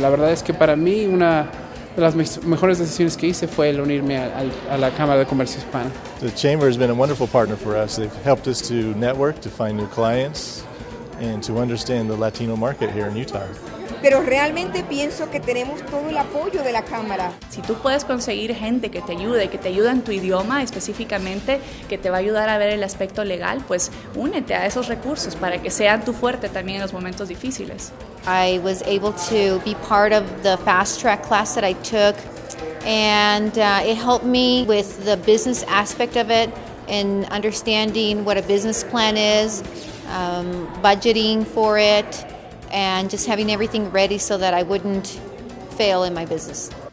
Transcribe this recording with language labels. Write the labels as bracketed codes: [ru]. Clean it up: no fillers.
[es] La verdad es que para mí una de las mejores decisiones que hice fue el unirme a la Cámara de Comercio Hispana. [en] The Chamber has been a wonderful partner for us. They've helped us to network, to find new clients, and to understand the Latino market here in Utah. [es] Pero realmente pienso que tenemos todo el apoyo de la Cámara. Si tú puedes conseguir gente que te ayude en tu idioma específicamente, que te va a ayudar a ver el aspecto legal, pues únete a esos recursos para que sean tu fuerte también en los momentos difíciles. [en] I was able to be part of the fast track class that I took, and it helped me with the business aspect of it and understanding what a business plan is, budgeting for it, and just having everything ready so that I wouldn't fail in my business.